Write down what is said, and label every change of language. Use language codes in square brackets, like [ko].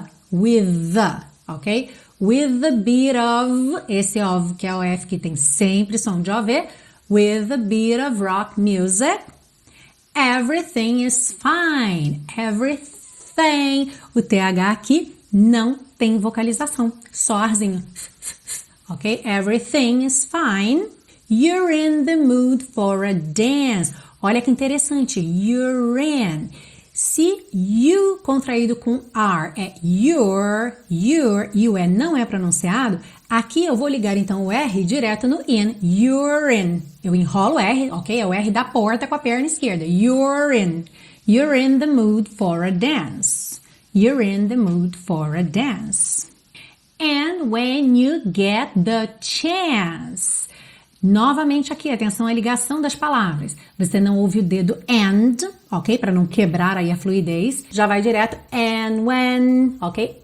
[en] With the, [pt] ok? [en] With a bit of, [pt] esse of que é o F que tem sempre som de OV. [en] With a bit of rock music. Everything is fine. Everything. [pt] O TH aqui não tem vocalização. Só arzinho. Ok? [en] Everything is fine. You're in the mood for a dance. [pt] Olha que interessante. [en] You're in. [pt] Se you contraído com R é your, e o E não é pronunciado, Aqui eu vou ligar então o R direto no in, [en] you're in. [pt] Eu enrolo o R, ok? É o R da porta com a perna esquerda, [en] you're in. You're in the mood for a dance. You're in the mood for a dance. And when you get the chance. [pt] Novamente aqui, atenção à ligação das palavras. Você não ouve o dedo and, ok? Para não quebrar aí a fluidez. Já vai direto [en] and when, [pt] ok?